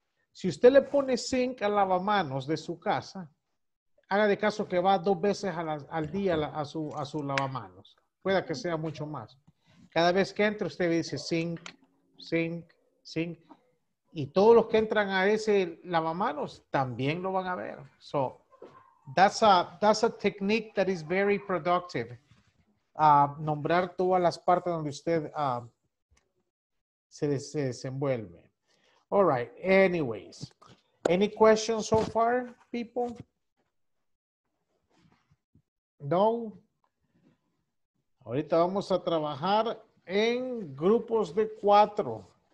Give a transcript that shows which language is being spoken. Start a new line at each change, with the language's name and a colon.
Spanish: Si usted le pone zinc al lavamanos de su casa, haga de caso que va dos veces al día a su lavamanos. Pueda que sea mucho más. Cada vez que entra, usted dice zinc, zinc, zinc. Y todos los que entran a ese lavamanos también lo van a ver.
English: So, that's a technique that is very productive.
Spanish: Nombrar todas las partes donde usted se desenvuelve.
English: All right, anyways. Any questions so far, people?
Spanish: No? Ahorita vamos a trabajar en grupos de cuatro.